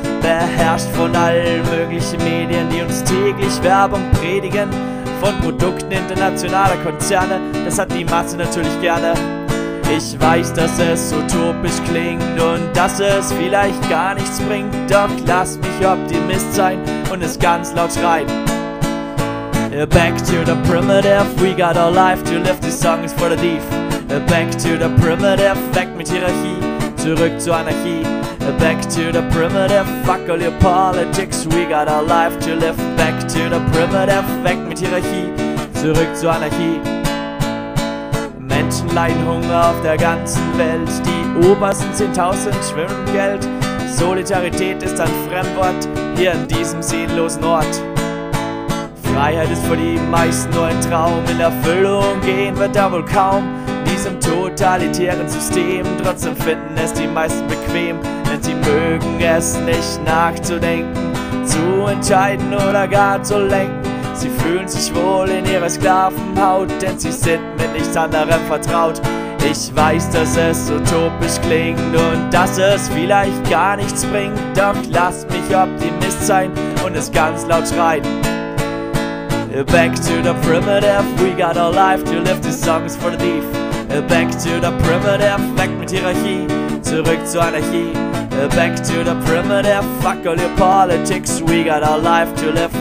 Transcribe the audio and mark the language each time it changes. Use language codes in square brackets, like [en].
[de] Beherrscht von allen möglichen Medien, die uns täglich Werbung predigen. Von Produkten internationaler Konzerne, das hat die Masse natürlich gerne. Ich weiß, dass es utopisch klingt und dass es vielleicht gar nichts bringt. Doch lass mich Optimist sein und es ganz laut schreien. [en] Back to the primitive, we got our life to live, this song is for the thief. Back to the primitive, [de] weg mit Hierarchie, zurück zur Anarchie. [en] Back to the primitive, fuck all your politics, we got our life to live. Back to the primitive, [de] weg mit Hierarchie, zurück zur Anarchie. Menschen leiden Hunger auf der ganzen Welt, die obersten 10.000 schwimmen Geld. Solidarität ist ein Fremdwort, hier in diesem sinnlosen Ort. Freiheit ist für die meisten nur ein Traum, in Erfüllung gehen wird da wohl kaum. Diesem totalitären System, trotzdem finden es die meisten bequem. Denn sie mögen es nicht nachzudenken, zu entscheiden oder gar zu lenken. Sie fühlen sich wohl in ihrer Sklavenhaut, denn sie sind mit nichts anderem vertraut. Ich weiß, dass es utopisch klingt und dass es vielleicht gar nichts bringt. Doch lass mich Optimist sein und es ganz laut schreien. [en] Back to the primitive, we got our life to live, this song is for the thief. Back to the primitive, [de] weg mit Hierarchie, zurück zur Anarchie. [en] Back to the primitive, fuck all your politics, we got our life to live.